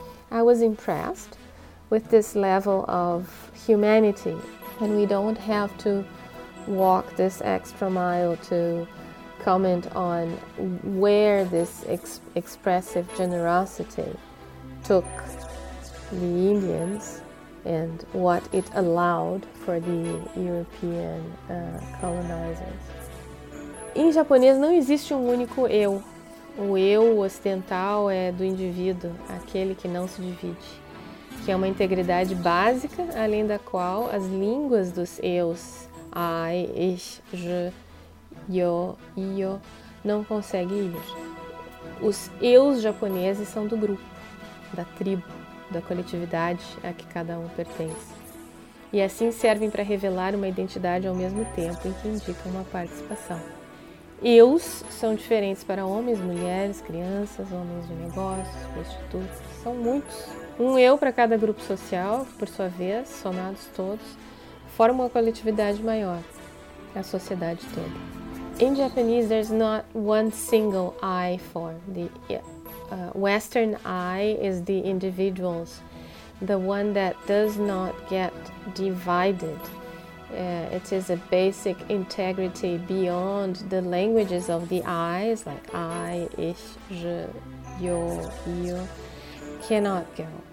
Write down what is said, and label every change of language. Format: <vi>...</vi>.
<en>I was impressed with this level of humanity, and we don't have to walk this extra mile to comment on where this expressive generosity took the Indians and what it allowed for the European colonizers.</en> <pt>Em japonês não existe um único eu. O eu ocidental é do indivíduo, aquele que não se divide, que é uma integridade básica, além da qual as línguas dos eus, I, ich, je, yo, io, não conseguem ir. Os eus japoneses são do grupo, da tribo, da coletividade a que cada um pertence. E assim servem para revelar uma identidade ao mesmo tempo em que indicam uma participação. Eus são diferentes para homens, mulheres, crianças, homens de negócios, prostitutos, são muitos. Um eu para cada grupo social, por sua vez, somados todos, forma uma coletividade maior, a sociedade toda.</pt> <en>In Japanese, there's not one single I form. The Western I is the individuals, the one that does not get divided. It is a basic integrity beyond the languages of the I's, like I, ich, je, yo, io, cannot go.</en>